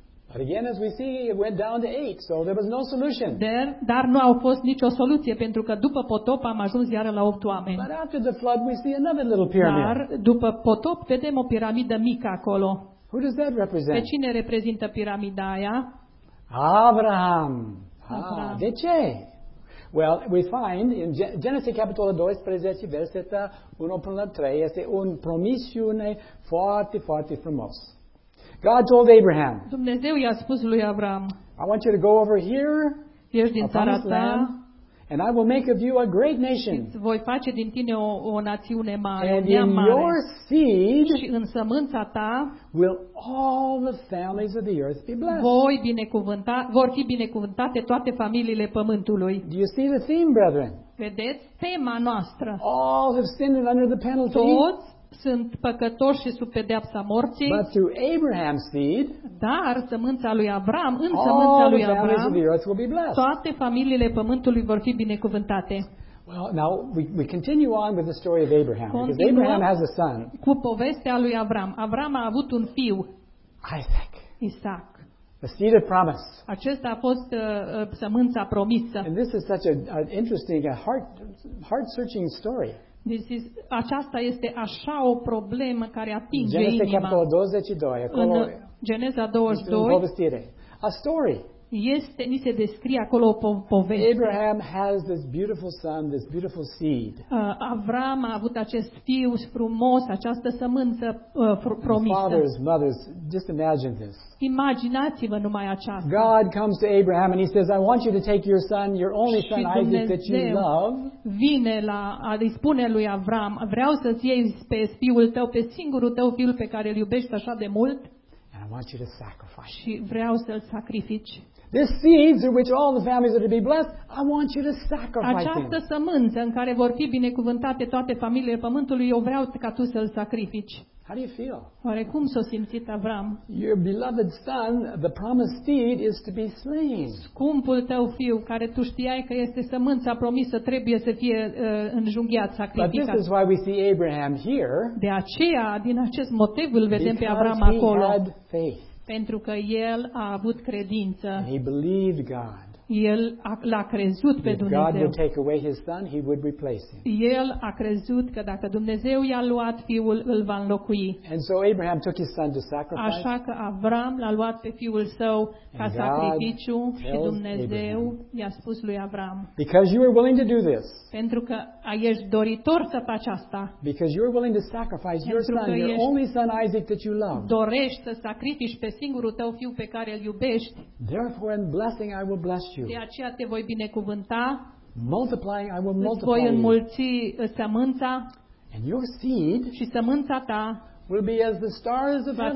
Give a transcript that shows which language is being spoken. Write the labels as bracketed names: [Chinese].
[English] But again, as we see, it went down to 8, so there was no solution. [Romanian] Dar nu a fost nicio soluție, pentru că după potop am ajuns iară la 8 oameni. [English] But after the flood, we see another little pyramid. [Romanian] Dar după potop vedem o piramidă mică acolo. [English] Who does that represent? [Romanian] Pe cine reprezintă piramida aia? [English] Abraham. Ah, de ce? Well, we find in Genesis [Romanian] capitolul 12, versetul 1 până la 3, este un promisiune foarte, foarte frumos. [English] God told Abraham. [Romanian] Dumnezeu i-a spus lui Abraham. [English] I want you to go over here. [Romanian] Ești din țara ta. [English] And I will make of you a great nation. [Romanian] Voi face din tine o națiune mare. [English] And in your seed, [Romanian] și în sămânța ta, [English] will all the families of the earth be blessed. [Romanian] Vor fi binecuvântate toate familiile pământului. [English] Do you see the theme, brethren? [Romanian] Vedeți tema noastră. [English] All have sinned under the penalty. [Romanian] Toți sunt păcătoși și sub pedeapsa morții. [English] But through Abraham's seed, [Romanian] dar sămânța lui Avram, în sămânța lui Avram, toate familiile pământului vor fi binecuvântate. [English] Well, now we continue on with the story of Abraham. Because Abraham has a son. [Romanian] Cu povestea lui Avram. Avram a avut un fiu. [English] Isaac. [Romanian] Isaac. [English] The seed of promise. [Romanian] Acesta a fost sămânța promisă. [English] And this is such an interesting, heart-searching story. [Romanian] Aceasta este așa o problemă care atinge [English] Genesis [Romanian] inima. Capitolul 22, acolo, în Geneza 22, este [English] a story. [Romanian] Este, ni se descrie acolo o poveste. [English] Abraham has this beautiful son, this beautiful seed. [Romanian] Avram a avut acest fiu frumos, această sămânță promisă. [English] Fathers, mothers, just imagine this. [Romanian] Imaginați-vă numai aceasta. [English] God comes to Abraham and he says, I want you to take your son, your only son Isaac that you love. [Romanian] Vine la îi spune lui Avram, vreau să -ți iei pe fiul tău, pe singurul tău fiu pe care îl iubești așa de mult. [English] I want you to sacrifice. [Romanian] Și vreau să-l sacrifici. [English] This seed through which all the families are to be blessed, I want you to sacrifice. [Romanian] Această sămânță în care vor fi binecuvântate toate familiile pământului, eu vreau ca tu să-l sacrifici. [English] How do you feel? [Romanian] Oare cum s-a simțit Avram? [English] Your beloved son, the promised seed, is to be slain. [Romanian] Scumpul tău fiu, care tu știai că este sămânța promisă, trebuie să fie înjunghiat, sacrificat. [English] But this is why we see Abraham here. [Romanian] De aceea, din acest motiv, îl vedem pe Avram acolo. Pentru că el a avut credință. [English] And he believed God. [Romanian] El l-a crezut pe Dumnezeu. [English] If God would take away his son, he would replace him. [Romanian] El a crezut că dacă Dumnezeu i-a luat fiul, îl va înlocui. [English] And so Abraham took his son to sacrifice. [Romanian] Așa că Avram l-a luat pe fiul său ca sacrificiu și Dumnezeu i-a spus lui Avram. [English] Because you are willing to do this. [Romanian] Pentru că ești doritor să faci asta. [English] Because you are willing to sacrifice your son, your only son Isaac that you love. [Romanian] Dorești să sacrifici pe singurul tău fiu pe care îl iubești. [English] Therefore in blessing I will bless. [Romanian] De aceea te voi binecuvânta. [English] Multiplying, I will multiply. [Romanian] Voi înmulți sămânța. [English] And your seed. [Romanian] Și sămânța ta. [English] Will be as the stars of heaven.